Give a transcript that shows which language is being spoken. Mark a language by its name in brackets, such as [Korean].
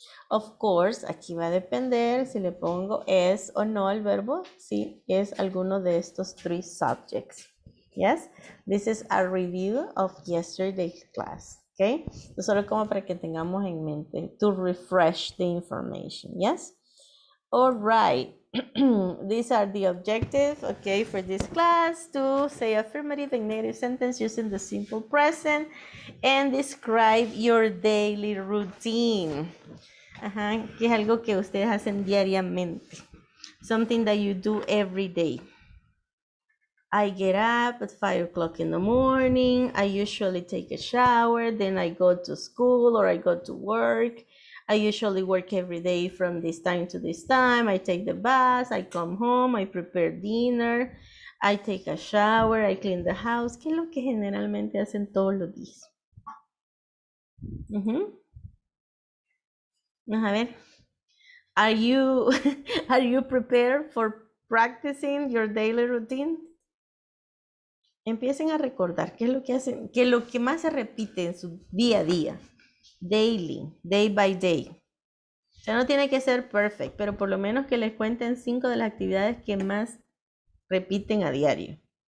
[English] Of course, [Spanish] aquí va a depender si le pongo es o no el verbo, si es alguno de estos 3 subjects. [English] Yes, this is a review of yesterday's class, okay? [Spanish] Solo como para que tengamos en mente, [English] to refresh the information, yes? All right, these are the objectives, okay, for this class, to say affirmative and negative sentence using the simple present and describe your daily routine. Uh-huh. [Spanish] Que es algo que ustedes hacen diariamente, [English] something that you do every day. I get up at 5 o'clock in the morning. I usually take a shower. Then I go to school or I go to work. I usually work every day from this time to this time. I take the bus, I come home, I prepare dinner. I take a shower, I clean the house. [Spanish] ¿Qué es lo que generalmente hacen todos los días? Uh-huh. A ver, [English] are you prepared for practicing your daily routine? [Spanish] Empiecen a recordar qué es lo que hacen, qué es lo que más se repite en su día a día, [English] daily, day by day. [Spanish] O sea, no tiene que ser perfect, pero por lo menos que les cuenten 5 de las actividades que más repiten a diario.